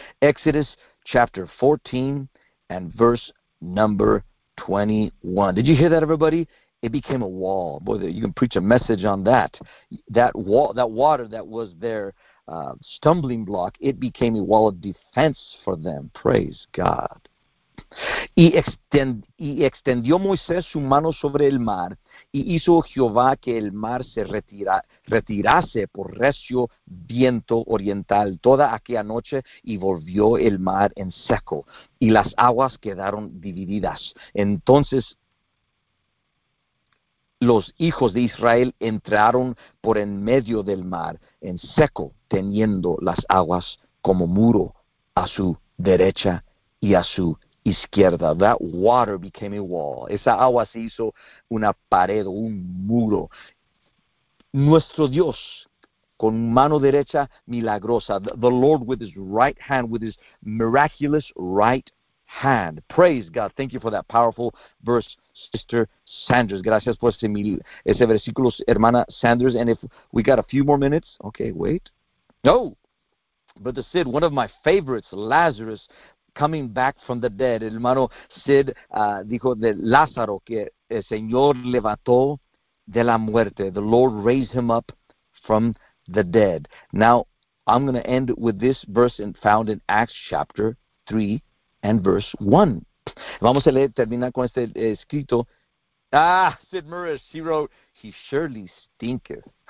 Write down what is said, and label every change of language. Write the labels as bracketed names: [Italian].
[English] Exodus chapter 14 and verse number 21. Did you hear that, everybody? It became a wall. Boy, you can preach a message on that. That wall, that water that was there, stumbling block, it became a wall of defense for them. Praise God. [Spanish] Y extendió Moisés su mano sobre el mar, y hizo Jehová que el mar se retirase por recio viento oriental toda aquella noche, y volvió el mar en seco, y las aguas quedaron divididas. Entonces los hijos de Israel entraron por en medio del mar en seco, teniendo las aguas como muro a su derecha y a su izquierda. [English] That water became a wall. [Spanish] Esa agua se hizo una pared o un muro. Nuestro Dios, con mano derecha milagrosa, [English] the Lord with his right hand, with his miraculous right hand. Praise God. Thank you for that powerful verse, Sister Sanders. [Spanish] Gracias por ese versículo, hermana Sanders. [English] And if we got a few more minutes, okay, wait. No, Brother Sid, one of my favorites, Lazarus, coming back from the dead. [Spanish] El hermano Sid dijo de Lázaro que el Señor levantó de la muerte. [English] The Lord raised him up from the dead. Now, I'm going to end with this verse found in Acts chapter 3 and verse 1. [Spanish] Vamos a leer, terminar con este escrito. Ah, Sid Morris, [English] he wrote, he surely stinketh.